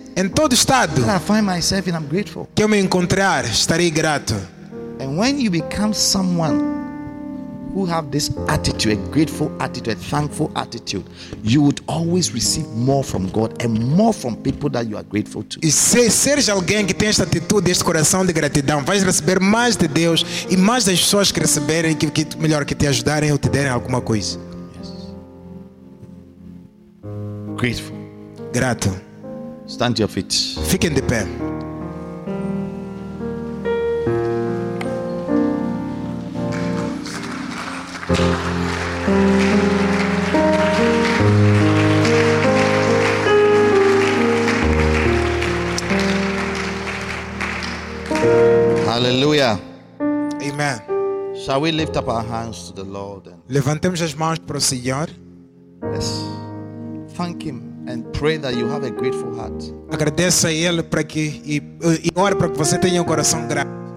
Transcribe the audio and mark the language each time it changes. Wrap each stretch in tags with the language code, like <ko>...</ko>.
<pt>Em todo estado</pt> <en>I find myself and I'm grateful.</en> <pt>Que eu me encontrar, estarei grato.</pt> <en>And when you become someone who have this attitude, a grateful attitude, a thankful attitude, you would always receive more from God and more from people that you are grateful to.</en> <pt>E se seres alguém que tem esta atitude, este coração de gratidão, vais receber mais de Deus e mais das pessoas que receberem, que melhor, que te ajudarem ou te derem alguma coisa.</pt> <en>Yes. Grateful.</en> <pt>Grato.</pt> <en>Stand to your feet.</en> <pt>Fique em de pé.</pt> <en>Hallelujah. Amen. Shall we lift up our hands to the Lord? And</en> <pt>levantemos as mãos para o Senhor.</pt> <en>Yes. Thank Him. And pray that you have a grateful heart.</en> <pt>Agradeça a Ele para que e ore para que você tenha um coração grato.</pt>